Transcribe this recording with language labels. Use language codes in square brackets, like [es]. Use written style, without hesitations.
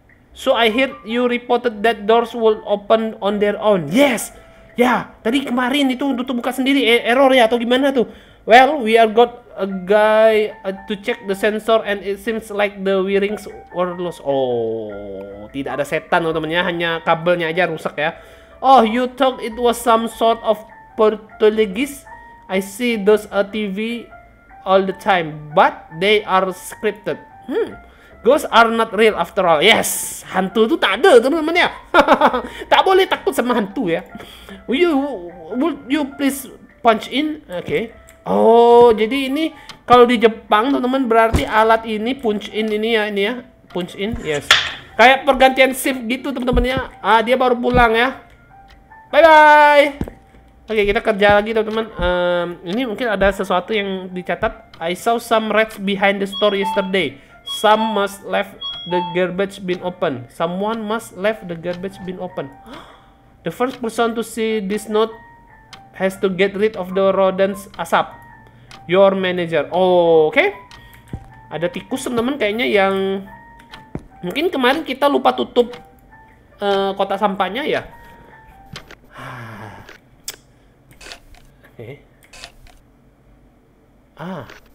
[en] So, I heard you reported that doors will open on their own. Yes. [id] Ya, tadi kemarin itu untuk buka sendiri error ya atau gimana tuh? [en] Well, we are got a guy to check the sensor and it seems like the wirings were lost. [id] Oh, tidak ada setan loh temennya, hanya kabelnya aja rusak ya. [en] Oh, you thought it was some sort of Portuguese? I see those on TV all the time, but they are scripted. Hmm. Ghosts are not real after all. Yes, [id] hantu itu tak ada, teman-teman ya. Tak boleh takut sama hantu ya. [en] Would you please punch in? Oke. Okay. [id] Oh, jadi ini kalau di Jepang, teman-teman, berarti alat ini punch in ini ya, punch in. Yes. Kayak pergantian shift gitu, teman-teman ya. Ah, dia baru pulang ya. Bye bye. Oke, okay, kita kerja lagi, teman-teman. Ini mungkin ada sesuatu yang dicatat. [en] I saw some rats behind the store yesterday. Some must left the garbage bin open. Someone must left the garbage bin open. The first person to see this note has to get rid of the rodents asap. Your manager. Oh, oke. Okay. [id] Ada tikus, teman-teman, kayaknya yang mungkin kemarin kita lupa tutup kotak sampahnya ya. [en] Okay. Ah.